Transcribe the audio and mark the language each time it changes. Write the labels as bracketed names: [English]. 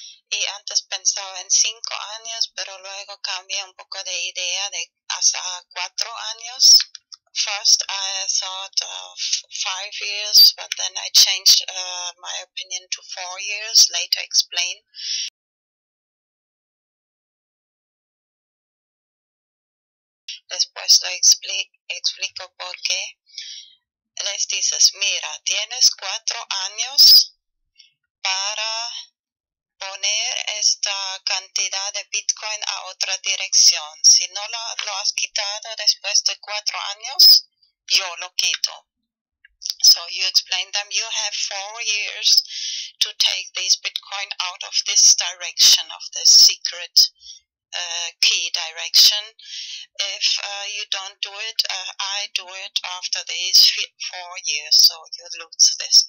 [Spanish] Y antes pensaba en 5 años, pero luego cambié un poco de idea de hasta 4 años. [English] First, I thought of 5 years, but then I changed my opinion to 4 years. Later, explain. [Spanish] Después lo explico por qué. Les dices, mira, tienes 4 años para poner esta cantidad de Bitcoin a otra dirección. Si no lo has quitado después de 4 años, yo lo quito. [English] So you explain them, you have 4 years to take this Bitcoin out of this direction, of this secret key direction. If you don't do it, I do it after these 4 years, so you lose this.